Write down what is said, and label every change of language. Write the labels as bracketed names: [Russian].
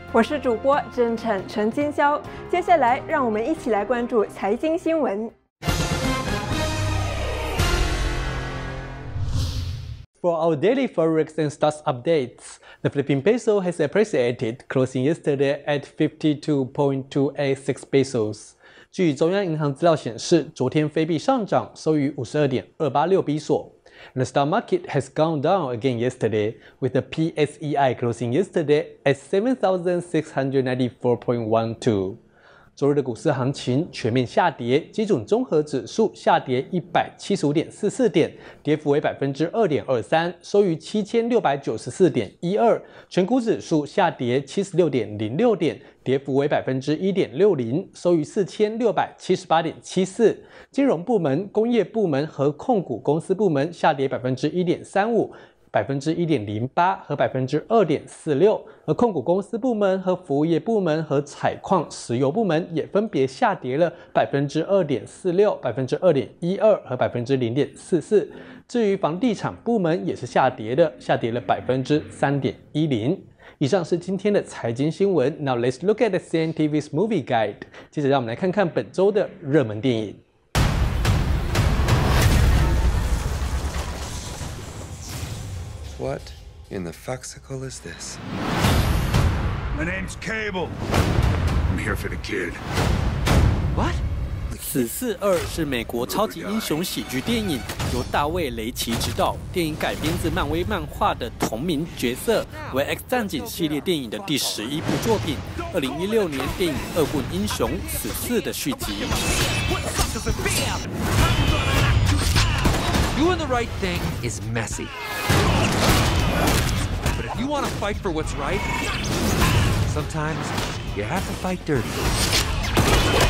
[Chinese] 我是主播真诚陈金霄。接下来让我们一起来关注财经新闻。 [English] For our daily Forex and Stocks updates, the Philippine peso has appreciated, closing yesterday at 52.286 pesos. [Chinese] 据中央银行资料显示，昨天菲币上涨，收于 52.286 比索。 [English] The stock market has gone down again yesterday, with the PSEI closing yesterday at 7,694.12. [Chinese] 昨日的股市行情全面下跌，基准综合指数下跌 175.44 点，跌幅为 2.23%， 收于 7,694.12， 全股指数下跌 76.06 点，跌幅为 1.60%， 收于 4678.74。金融部门、工业部门和控股公司部门下跌 1.35%、 1.08% 和 2.46%， 而控股公司部门和服务业部门和采矿石油部门也分别下跌了 2.46%、 2.12% 和 0.44%。至于房地产部门也是下跌的，下跌了 3.10%。以上是今天的财经新闻。 [English] Now let's look at the CNTV's movie guide. [Chinese] 接着让我们来看看本周的热门电影。 [English] What in the fucksicle is this? My name's Cable. I'm here for the kid. What? [Chinese] 442是美国超级英雄喜剧电影，由大卫雷奇执导，电影改编自漫威漫画的同名角色，为 X 战警系列电影的第十一部作品，2016年电影恶棍英雄442的续集。 [English] Doing the right thing is messy, but if you want to fight for what's right, sometimes you have to fight dirty.